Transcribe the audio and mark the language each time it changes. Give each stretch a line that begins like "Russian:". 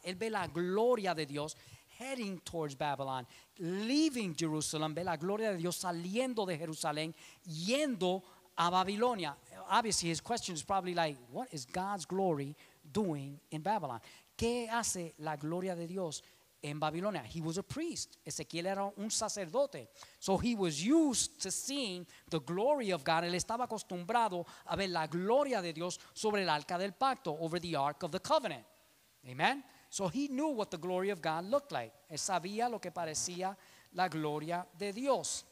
Spanish: Él ve la gloria de Dios
English: heading towards Babylon, leaving Jerusalem,
Spanish: ve la gloria de Dios saliendo de Jerusalén, yendo a Babilonia.
English: Obviously, his question is probably like, what is God's glory doing in Babylon?
Spanish: ¿Qué hace la gloria de Dios en Babilonia?
English: He was a priest.
Spanish: Ezequiel era un sacerdote.
English: So he was used to seeing the glory of God.
Spanish: Él estaba acostumbrado a ver la gloria de Dios sobre el arca del pacto,
English: over the ark of the covenant.
Spanish: Amen.
English: So he knew what the glory of God looked like.
Spanish: Él sabía lo que parecía la gloria de Dios.